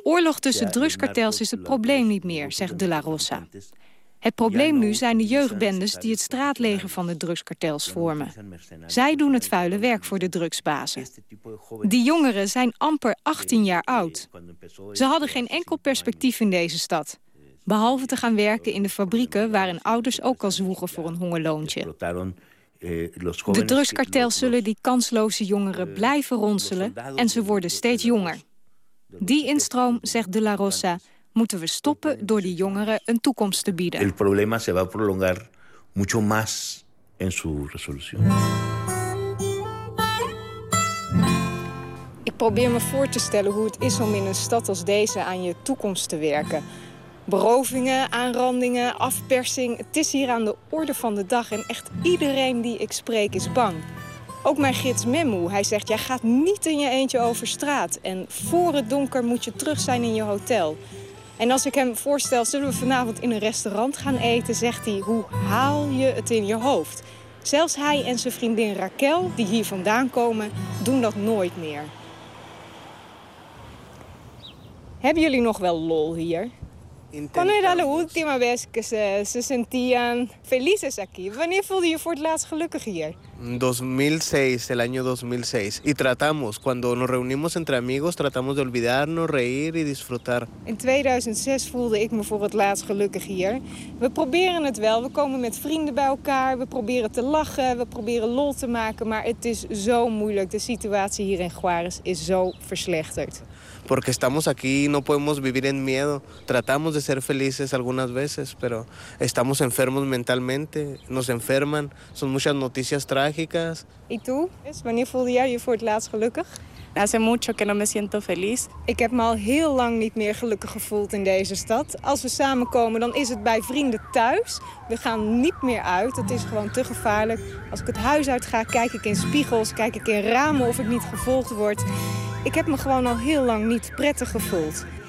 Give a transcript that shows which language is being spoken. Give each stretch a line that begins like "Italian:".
Dutch: De oorlog tussen drugskartels is het probleem niet meer, zegt De La Rosa. Het probleem nu zijn de jeugdbendes die het straatleger van de drugskartels vormen. Zij doen het vuile werk voor de drugsbazen. Die jongeren zijn amper 18 jaar oud. Ze hadden geen enkel perspectief in deze stad. Behalve te gaan werken in de fabrieken waar hun ouders ook al zwoegen voor een hongerloontje. De drugskartels zullen die kansloze jongeren blijven ronselen en ze worden steeds jonger. Die instroom, zegt De La Rosa, moeten we stoppen door die jongeren een toekomst te bieden.
Spanish: El problema se va a prolongar mucho más en su resolución.
Dutch: Ik probeer me voor te stellen hoe het is om in een stad als deze aan je toekomst te werken. Berovingen, aanrandingen, afpersing. Het is hier aan de orde van de dag en echt iedereen die ik spreek is bang. Ook mijn gids Memo, hij zegt, jij gaat niet in je eentje over straat en voor het donker moet je terug zijn in je hotel. En als ik hem voorstel, zullen we vanavond in een restaurant gaan eten, zegt hij, hoe haal je het in je hoofd? Zelfs hij en zijn vriendin Raquel, die hier vandaan komen, doen dat nooit meer. Hebben jullie nog wel lol hier?
Spanish: Cuando era la última vez que se sentían felices aquí?
Dutch: Wanneer voelde je voor het laatst gelukkig hier?
Spanish: 2006, el año 2006. Y tratamos, cuando nos reunimos entre amigos, tratamos de olvidarnos, reír y disfrutar.
Dutch: In 2006 voelde ik me voor het laatst gelukkig hier. We proberen het wel, we komen met vrienden bij elkaar, we proberen te lachen, we proberen lol te maken, maar het is zo moeilijk. De situatie hier in Juárez is zo verslechterd.
Spanish: Porque estamos aquí y no podemos vivir en miedo. Tratamos de ser felices algunas veces, pero estamos enfermos mentalmente. Nos enferman. Son muchas noticias trágicas. ¿Y tú?
Dutch: ¿Wanneer voelde jij je voor het laatst gelukkig?
Spanish: Hace mucho que no me siento feliz.
Dutch: Ik heb me al heel lang niet meer gelukkig gevoeld in deze stad. Als we samenkomen, dan is het bij vrienden thuis. We gaan niet meer uit. Het is gewoon te gevaarlijk. Als ik het huis uit ga, kijk ik in spiegels, kijk ik in ramen of ik niet gevolgd word. Ik heb me gewoon al heel lang niet prettig gevoeld.